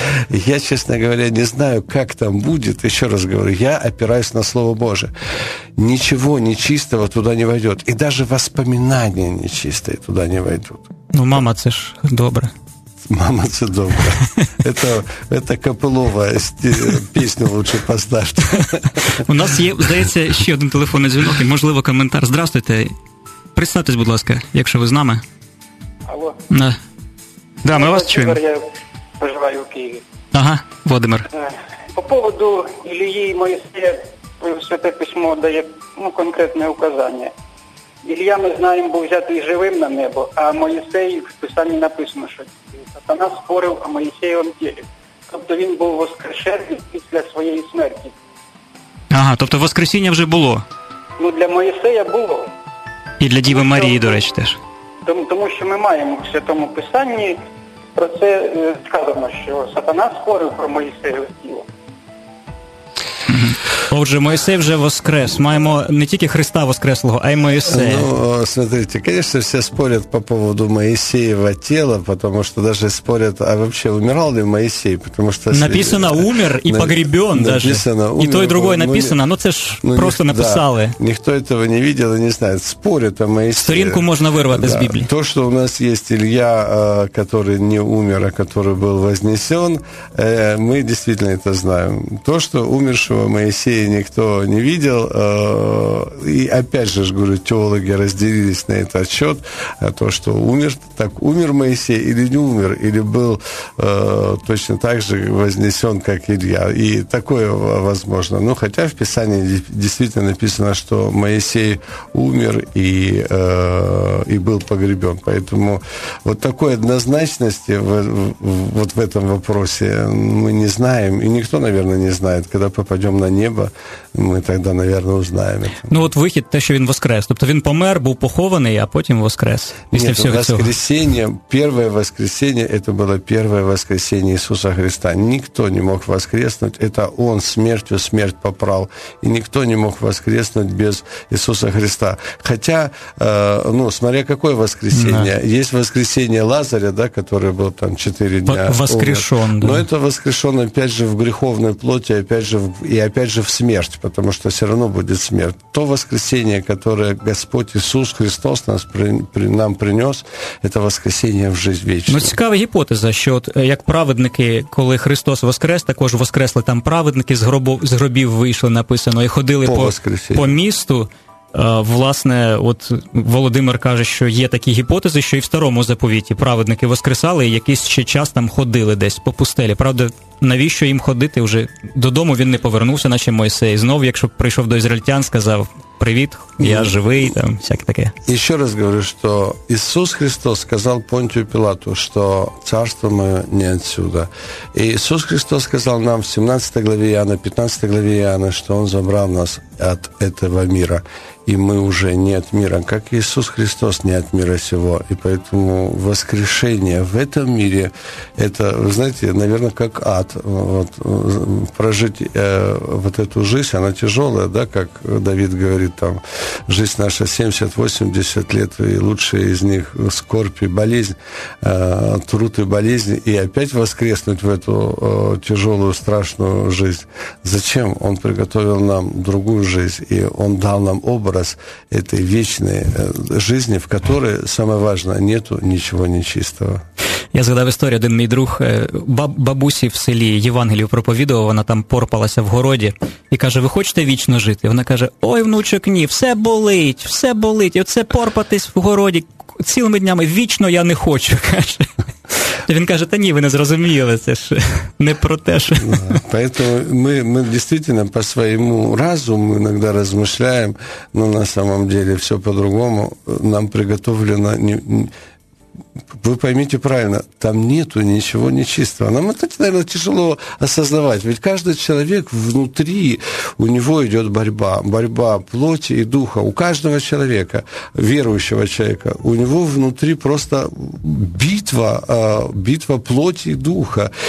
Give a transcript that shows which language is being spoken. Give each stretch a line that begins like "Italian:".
Russian: Я, честно говоря, не знаю, как там будет. Еще раз говорю, я опираюсь на Слово Божие. Ничего нечистого туда не войдет. И даже воспоминания нечистые туда не войдут. Ну, мама, это ж добре.
Ukrainian: Мама, це добре.
Russian: Это Копилова, пісню лучше поставте.
Ukrainian: У нас є, здається, ще один телефонний дзвінок і, можливо, коментар.
Russian: Здравствуйте.
Ukrainian: Представтесь, будь ласка, якщо ви з нами. Алло. Да. Да, ми вас чуємо. Я проживаю в Києві. Ага, Володимир.
Russian: По поводу
Ukrainian: Ілії і Моїсея, Святе Письмо дає, ну, конкретне указання. Ілія, ми знаємо, був взятий живим на небо, а Моїсей в Писанні написано, що Сатана створив, а Моїсей он тілі. Тобто він був воскрешений після своєї смерті. Ага, тобто воскресіння вже було. Ну, для Моїсея було. І для Діви Марії, до речі, теж. Тому що ми маємо в Святому Писанні про це сказано, що Сатана створив про Моїсея тіло. Отже, Моїсей вже воскрес. Маємо не тільки Христа воскреслого, а й Моїсея.
Russian: Ну, смотрите, конечно, все спорят по поводу Моїсеєва тела, потому что даже спорят, а вообще умирал ли Моїсей, потому что написано умер и погребён даже. Написано, умер, и то и другое написано,
Ukrainian: ну це ж ну, просто написали.
Russian: Да, никто этого не видел и не знает. Спорят о Моїсеї.
Ukrainian: Сторінку можна вирвати, да, з Біблії.
Russian: То, что у нас есть Илья, который не умер, а который был вознесён, мы действительно это знаем. То, что умершего Моїсея никто не видел. И опять же, говорю, теологи разделились на этот счет, то, что умер, так умер Моисей или не умер, или был точно так же вознесен, как Илья. И такое возможно. Ну, хотя в Писании действительно написано, что Моисей умер и был погребен. Поэтому вот такой однозначности вот в этом вопросе мы не знаем, и никто, наверное, не знает. Когда попадем на небо, мы тогда, наверное, узнаем это.
Ukrainian: Ну вот выхід те, що він воскрес. Тобто він помер, був похований, а потім воскрес. Після всього цього. Воскресіння, перше воскресіння, це було перше воскресіння Ісуса Христа. Ніхто не мог воскреснути, це Он смертю смерть поправ. І ніхто не мог воскреснути без Ісуса Христа. Хоча, ну,
Russian: смотря какое
Ukrainian: воскресіння. Є воскресіння Лазаря, да,
Russian: который
Ukrainian: був там 4 дня.
Russian: Воскрешен, да. Но это воскрешен, опять же, в греховной плоти, опять же, в смерть, потому что все равно будет смерть. То воскресение, которое Господь Иисус Христос нам принес, это воскресение в жизнь вечную.
Ukrainian: Ну, цікава гипотеза, що от, як праведники, коли Христос воскрес, також воскресли там праведники, з гробів вийшли, написано, і ходили по місту. Власне, от Володимир каже, що є такі гіпотези, що і в Старому Заповіті праведники воскресали і якийсь ще час там ходили десь по пустелі. Правда, навіщо їм ходити? Уже додому він не повернувся, наче Мойсей. Знов, якщо прийшов до ізраїльтян, сказав «Привіт, я живий», там всяке таке. І ще раз говорю, що Ісус Христос сказав Понтію Пілату, що царство моє не відсюда. І Ісус Христос сказав нам в 17 главі Іоанна, 15 главі Іоанна, що Он забрав нас від цього світу.
Russian: И мы уже не от мира, как Иисус Христос не от мира сего. И поэтому воскрешение в этом мире, это, вы знаете, наверное, как ад. Вот, прожить вот эту жизнь, она тяжелая, да, как Давид говорит, там, жизнь наша 70-80 лет, и лучшая из них скорбь и болезнь, труд и болезнь, и опять воскреснуть в эту тяжелую, страшную жизнь. Зачем? Он приготовил нам другую жизнь, и Он дал нам образ этой вечной жизни, в которой, самое важное, нету ничего нечистого.
Ukrainian: Я згадав історію, один мій друг бабусі в селі Євангелію проповідував, вона там порпалася в городі і каже, ви хочете вічно жити? Вона каже, ой, внучок, ні, все болить, і оце порпатись в городі цілими днями, вічно я не хочу, каже. Він каже, та ні, ви не зрозуміли, це ж не про те, що... Да, тому ми дійсно по своєму розуму іноді розмишляємо, але
Russian: на самом деле все по-другому. Нам приготовлено... Вы поймите правильно, там нету ничего нечистого. Нам это, наверное, тяжело осознавать. Ведь каждый человек внутри, у него идет борьба. Борьба плоти и духа. У каждого человека, верующего человека, у него внутри просто битва, битва плоти и духа.